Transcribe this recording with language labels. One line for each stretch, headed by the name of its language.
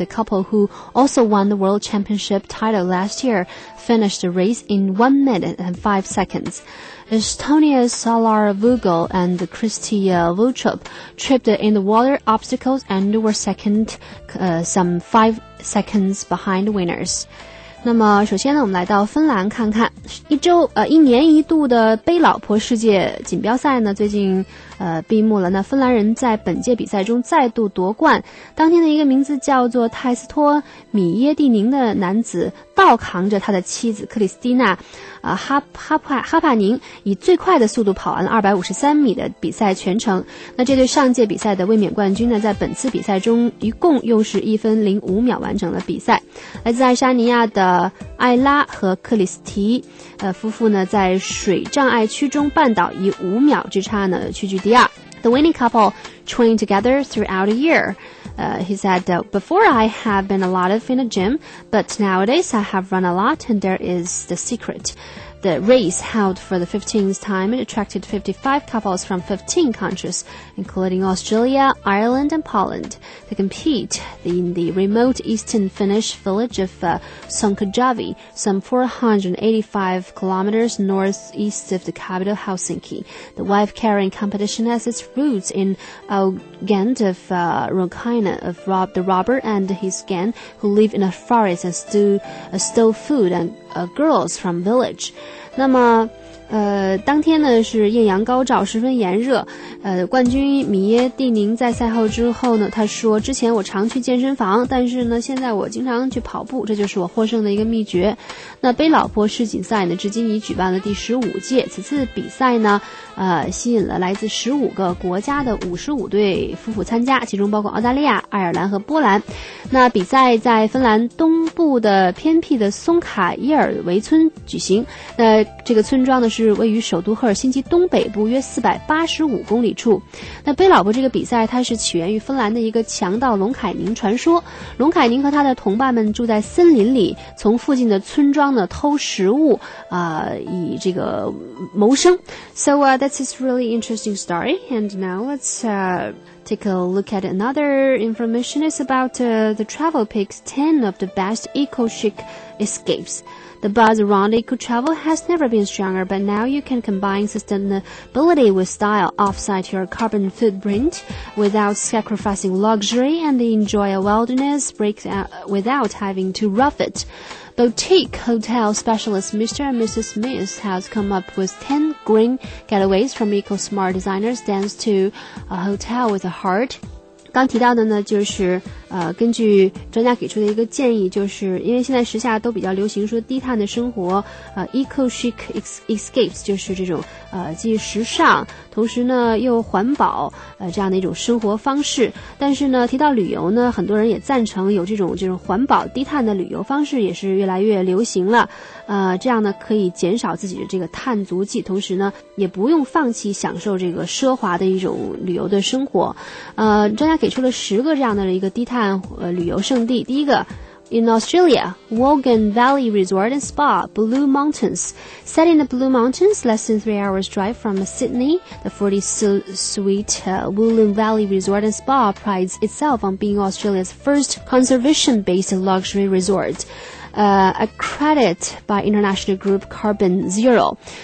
English: The couple, who also won the world championship title last year, finished the race in 1 minute and 5 seconds. Estonia's Salar Vugel and Kristi Voutrup tripped in the water obstacles and were second, some 5 seconds behind the winners.
Chinese: 那么首先呢，我们来到芬兰看看一年一度的背老婆世界锦标赛呢，最近闭幕了。那芬兰人在本届比赛中再度夺冠，当天的一个名字叫做泰斯托米耶蒂宁的男子倒扛着他的妻子克里斯蒂娜哈帕宁，以最快的速度跑完了253米的比赛全程。那这对上届比赛的卫冕冠军呢，在本次比赛中一共又是1分05秒完成了比赛。来自爱沙尼亚的艾拉和克里斯提夫妇呢，在水障碍区中绊倒，以5秒之差呢屈居第二。
English: The winning couple trained together throughout a year. He said, before I have been a lot of in the gym, but nowadays I have run a lot and there is the secret. The race held for the 15th time and attracted 55 couples from 15 countries, including Australia, Ireland and Poland, to compete in the remote eastern Finnish village of Sonkajavi, some 485 kilometers northeast of the capital Helsinki. The wife-carrying competition has its roots in Ogand of Rakhine, of Rob the Robber and his gang, who live in a forest and stole food andgirls from village.
Chinese: 那么当天呢是艳阳高照，十分炎热。冠军米耶蒂宁在赛后之后呢，他说，之前我常去健身房，但是呢现在我经常去跑步，这就是我获胜的一个秘诀。那背老婆世锦赛呢，至今已举办了第15届。此次比赛呢吸引了来自15个国家的55对夫妇参加，其中包括澳大利亚、爱尔兰和波兰。那比赛在芬兰东部的偏僻的松卡伊尔维村举行。那这个村庄呢是位于首都赫尔辛基东北部约485公里处。那背老婆这个比赛，它是起源于芬兰的一个强盗龙凯宁传说。龙凯宁和他的同伴们住在森林里，从附近的村庄呢偷食物以这个谋生。
English: So that's a really interesting story. And now let's take a look at another information. It's about the travel picks 10 of the best eco-chic escapes. The buzz around eco-travel has never been stronger, but now you can combine sustainability with style, offset your carbon footprint without sacrificing luxury, and enjoy a wilderness break without having to rough it. Boutique hotel specialist Mr. and Mrs. Smith has come up with 10 green getaways from eco-smart designers dance to a hotel with a heart.
Chinese: 刚提到的呢，就是根据专家给出的一个建议，就是因为现在时下都比较流行说低碳的生活，
English: eco chic escapes
Chinese: 就是这种既时尚，同时呢又环保，这样的一种生活方式。但是呢，提到旅游呢，很多人也赞成有这种就是环保低碳的旅游方式也是越来越流行了，这样呢可以减少自己的这个碳足迹，同时呢也不用放弃享受这个奢华的一种旅游的生活，专家给出了10个这样的一个低碳旅游胜地。第一个
English: In Australia, Wogan Valley Resort and Spa, Blue Mountains. Set in the Blue Mountains, less than 3 hours drive from Sydney, the 40-suite Wogan Valley Resort and Spa prides itself on being Australia's first conservation-based luxury resort, accredited by international group Carbon Zero.